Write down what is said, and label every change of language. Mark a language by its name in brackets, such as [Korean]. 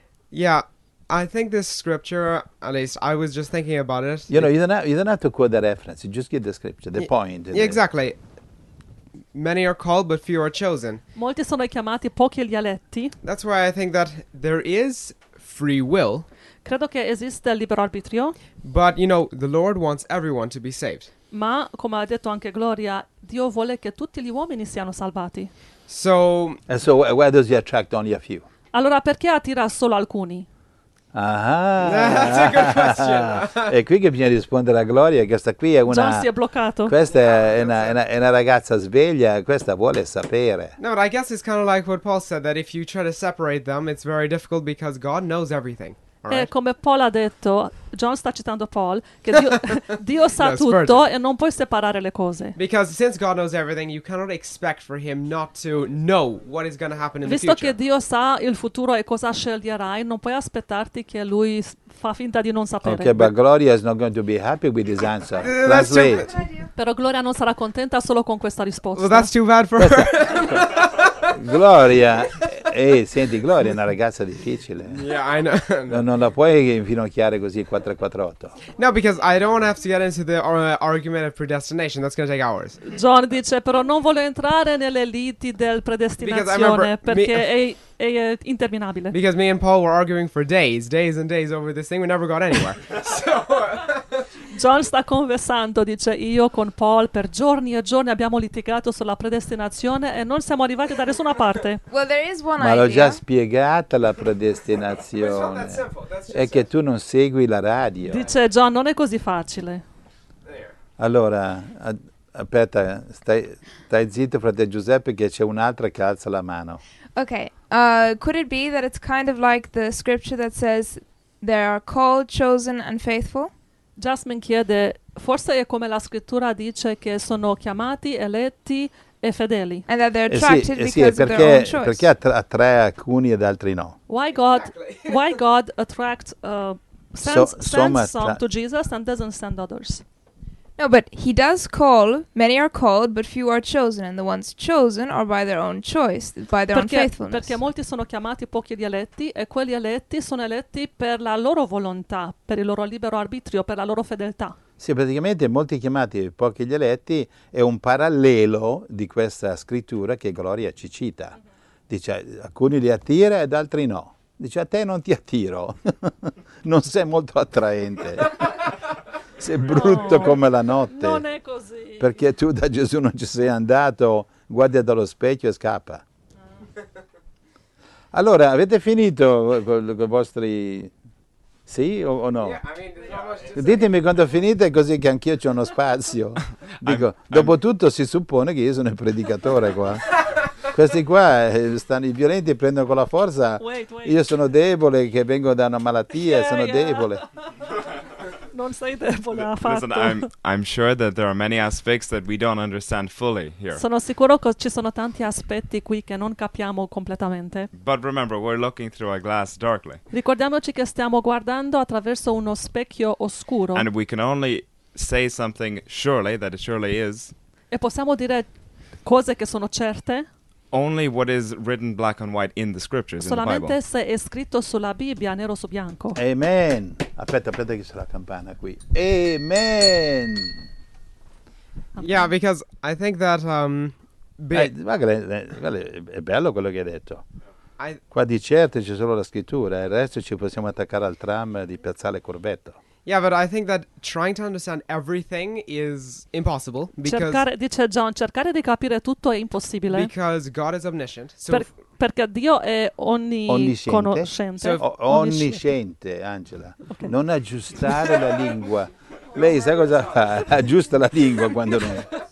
[English] Yeah, I think this scripture, at least I was just thinking about it. You know, you don't have to quote the reference, you just give the scripture, the point. Yeah, exactly. Many are called, but few are chosen. [Italian] Molti sono chiamati, pochi gli eletti. [English] That's why I think that there is free will. [Italian] Credo che esista il libero arbitrio. [English] But, you know, the Lord wants everyone to be saved. [Italian] Ma, come ha detto anche Gloria, Dio vuole che tutti gli uomini siano salvati. [English] So... And so, why does he attract only a few? [Italian] Allora, perché attira solo alcuni? [English] That's a good question. [Italian] E qui che bisogna rispondere a Gloria, questa qui è una... John si è bloccato. Questa è una ragazza sveglia, questa vuole sapere. [English] No, but I guess it's kind of like what Paul said, that if you try to separate them, it's very difficult because God knows everything. [Italian] E come Paul ha detto, John sta citando Paul, che Dio sa tutto e non puoi separare le cose. [English] Because since God knows everything, you cannot expect for him not to know what is going to happen in the future. [Italian] Visto che Dio sa il futuro e cosa sceglierai, non puoi aspettarti che lui fa finta di non sapere. [English] Okay, but Gloria is not going to be happy with his answer. That's [Italian] Però Gloria non sarà contenta solo con questa risposta. [English] Well, that's too bad for her. [Italian] Gloria... senti, Gloria è una ragazza difficile. [English] Yeah, I know. [Italian] non la puoi infinocchiare così 448. [English] No, because I don't want to have to get into the argument of predestination. That's going to take hours. [Italian] John dice, però non voglio entrare nelle liti del predestinazione perché è interminabile. [English] Because me and Paul were arguing for days and days over this thing. We never got anywhere. So... [Italian] John sta conversando, dice, io con Paul per giorni e giorni abbiamo litigato sulla predestinazione e non siamo arrivati da nessuna parte. [English] Well, there is one [Italian] Ma [English] idea. [Italian] L'ho già spiegata la predestinazione. È che tu non segui la radio. Dice John, non è così facile. Allora, aspetta, stai zitto, frate Giuseppe, che c'è un'altra che alza la mano. [English] Ok, could it be that it's kind of like the scripture that says there are called, chosen and faithful? [Italian] Jasmine chiede, forse è come la scrittura dice che sono chiamati, eletti e fedeli. [English] And that they're attracted because of their own choice. [Italian] Perché attrae alcuni ed altri no? [English] Why God attracts sends some to Jesus and doesn't send others? No, but he does call, many are called, but few are chosen, and the ones chosen are by their own choice, by their own faithfulness. [Italian] Perché molti sono chiamati, pochi gli eletti, e quelli eletti sono eletti per la loro volontà, per il loro libero arbitrio, per la loro fedeltà. Sì, praticamente molti chiamati, pochi gli eletti, è un parallelo di questa scrittura che Gloria ci cita. Dice, alcuni li attira ed altri no. Dice, a te non ti attiro, non sei molto attraente. Sei brutto come la notte. Non è così. Perché tu da Gesù non ci sei andato, guardi dallo specchio e scappa. Allora, avete finito con i vostri... Sì o no? Ditemi quando finite, così che anch'io c'ho uno spazio. Dico, dopo tutto si suppone che io sono il predicatore qua. Questi qua, stanno, i violenti prendono con la forza. [English] Wait. [Italian] Io sono debole, che vengo da una malattia, debole. Non sei debole affatto. [English] Listen, I'm sure that there are many aspects that we don't understand fully here. [Italian] Sono sicuro che ci sono tanti aspetti qui che non capiamo completamente. [English] But remember, we're looking through a glass darkly. [Italian] Ricordiamoci che stiamo guardando attraverso uno specchio oscuro. [English] And we can only say something surely, that it surely is. [Italian] E possiamo dire cose che sono certe. [English] Only what is written black and white in the scriptures, [Italian] solamente [English] in the Bible. [Italian] Solamente se è scritto sulla Bibbia, nero su bianco. Amen. Aspetta che c'è la campana qui. Amen. [English] Yeah, because I think that... [Italian] è bello quello che hai detto. Qua di certo c'è solo la scrittura, il resto ci possiamo attaccare al tram di Piazzale Corvetto. [English] Yeah, but I think that trying to understand everything is impossible because [Italian] dice John, cercare di capire tutto è impossibile. [English] Because God is omniscient. So [Italian] perché Dio è onnisciente. Onnisciente, Angela. Okay. Non aggiustare la lingua. Lei sa cosa fa? Aggiusta la lingua quando non.